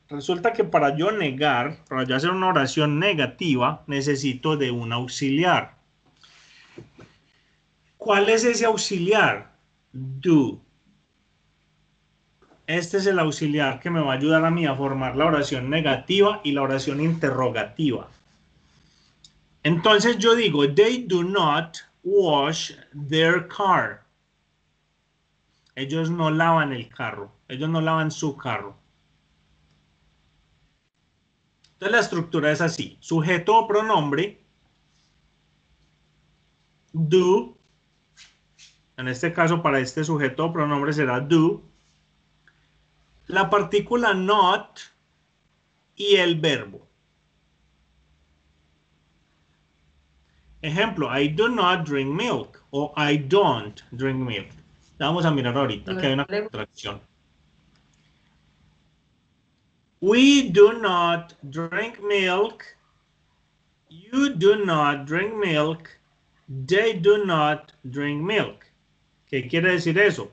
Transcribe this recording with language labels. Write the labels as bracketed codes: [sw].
[es] Resulta que para yo negar, para yo hacer una oración negativa, necesito de un auxiliar. ¿Cuál es ese auxiliar? Do. Este es el auxiliar que me va a ayudar a mí a formar la oración negativa y la oración interrogativa. Entonces yo digo, [en] they do not wash their car. [es] Ellos no lavan el carro. Ellos no lavan su carro. Entonces la estructura es así. Sujeto o pronombre. Do. En este caso, para este sujeto o pronombre será do. La partícula not y el verbo. Ejemplo, [en] I do not drink milk [es] o [en] I don't drink milk. [es] La vamos a mirar ahorita, que hay una contracción. [en] We do not drink milk. You do not drink milk. They do not drink milk. [es] ¿Qué quiere decir eso?